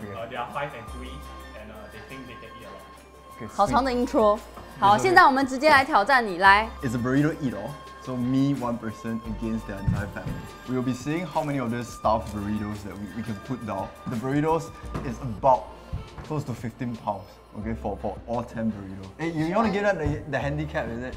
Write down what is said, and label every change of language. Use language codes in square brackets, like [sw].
[en] They are 5 and 3, and they think they can eat a lot. [zh] 好长的intro. 好，现在我们直接来挑战你, 来。 [en] It's a burrito eat all. So me, one person, against their entire family. We will be seeing how many of these stuffed burritos that we can put down. The burritos is about close to 15 pounds, okay, for all 10 burritos. Hey, you want to give that the handicap, is it?